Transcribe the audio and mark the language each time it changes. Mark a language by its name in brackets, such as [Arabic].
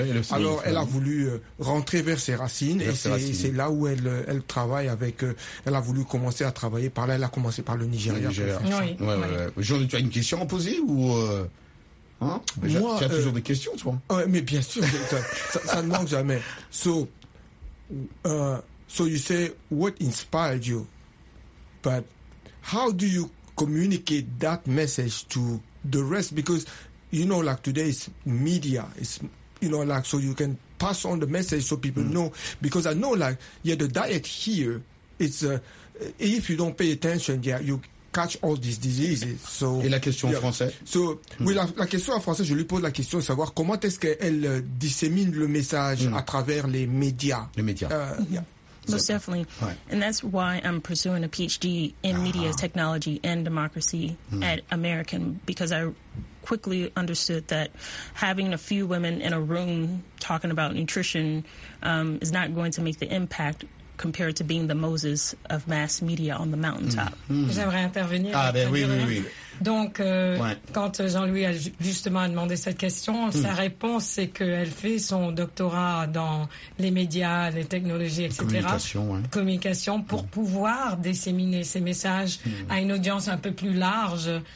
[French] Alors, elle a voulu rentrer vers ses racines et c'est là où elle travaille avec. Elle a voulu commencer à travailler par là. Elle a commencé par le Nigeria. Jean, tu as une question à poser ou. Hein? Moi, tu as toujours des questions, toi. Ouais, mais bien sûr, ça ne manque jamais. [English] So you say what inspired you, but how do you communicate that message to the rest? Because you know, like today is media, it's you know, like so you can pass on the message so people know. Because I know, like yeah, the diet here, it's if you don't pay attention, you catch all these diseases. So, [French] et la question en français. So, oui, la question en français, je lui pose la question de savoir comment est-ce qu'elle dissémine le message à travers les médias. Les médias. [English] Most definitely. Right. And that's why I'm pursuing a PhD in media technology and democracy at American, because I quickly understood that having a few women in a room talking about nutrition is not going to make the impact compared to being the Moses of mass media on the mountaintop. [French] J'aimerais intervenir. Ah, ben oui. Donc, quand Jean-Louis a justement demandé cette question, sa réponse, c'est qu'elle fait son doctorat dans les médias, les technologies, etc. Communication pour pouvoir disséminer ces messages à une audience un peu plus large.